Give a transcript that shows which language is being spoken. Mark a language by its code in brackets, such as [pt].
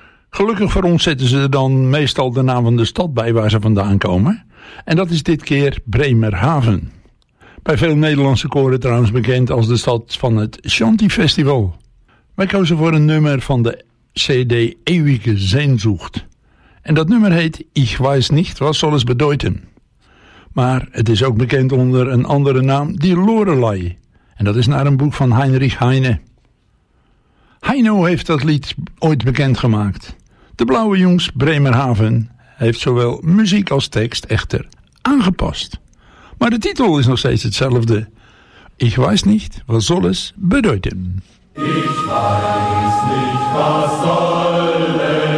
[nl] Gelukkig voor ons zetten ze er dan meestal de naam van de stad bij waar ze vandaan komen. En dat is dit keer Bremerhaven. Bij veel Nederlandse koren trouwens bekend als de stad van het Shanty Festival. Wij kozen voor een nummer van de CD Ewige Sehnsucht. En dat nummer heet Ich weiß nicht, was soll es bedeuten. Maar het is ook bekend onder een andere naam, die Lorelei. En dat is naar een boek van Heinrich Heine. Heino heeft dat lied ooit bekendgemaakt. De Blauwe Jungs Bremerhaven heeft zowel muziek als tekst echter aangepast. Maar de titel is nog steeds hetzelfde. [de] Ich weiß nicht, was soll es bedeuten. Ich weiß nicht, was soll es bedeuten.